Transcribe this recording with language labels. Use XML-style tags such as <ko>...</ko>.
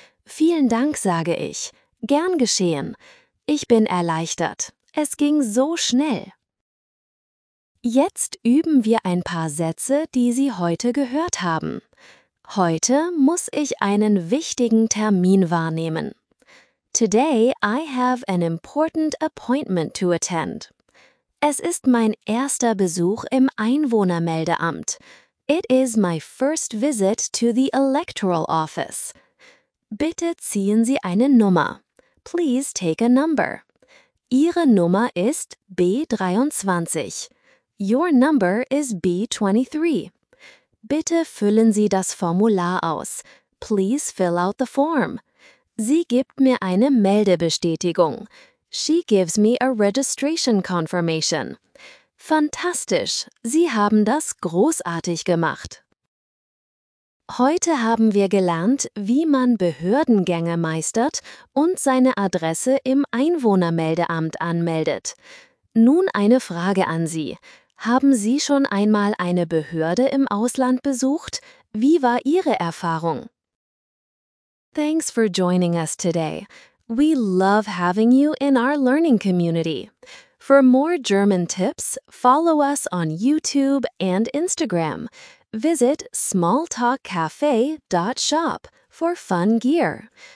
<de>Vielen Dank, sage ich. Gern geschehen. Ich bin erleichtert. Es ging so schnell. Jetzt üben wir ein paar Sätze, die Sie heute gehört haben. Heute muss ich einen wichtigen Termin wahrnehmen.</de> <en>Today I have an important appointment to attend.</en> <de>Es ist mein erster Besuch im Einwohnermeldeamt.</de> <en>It is my first visit to the electoral office.</en> <de>Bitte ziehen Sie eine Nummer.</de> <en>Please take a number.</en> <de>Ihre Nummer ist B23.</de> <en>Your number is B23.</en> <de>Bitte füllen Sie das Formular aus.</de> <en>Please fill out the form.</en> <de>Sie gibt mir eine Meldebestätigung.</de> <en>She gives me a registration confirmation.</en> <de>Fantastisch! Sie haben das großartig gemacht. Heute haben wir gelernt, wie man Behördengänge meistert und seine Adresse im Einwohnermeldeamt anmeldet. Nun eine Frage an Sie. Haben Sie schon einmal eine Behörde im Ausland besucht? Wie war Ihre Erfahrung?</de> <en>Thanks for joining us today. We love having you in our learning community. For more German tips, follow us on YouTube and Instagram. Visit smalltalkcafe.shop for fun gear.</en>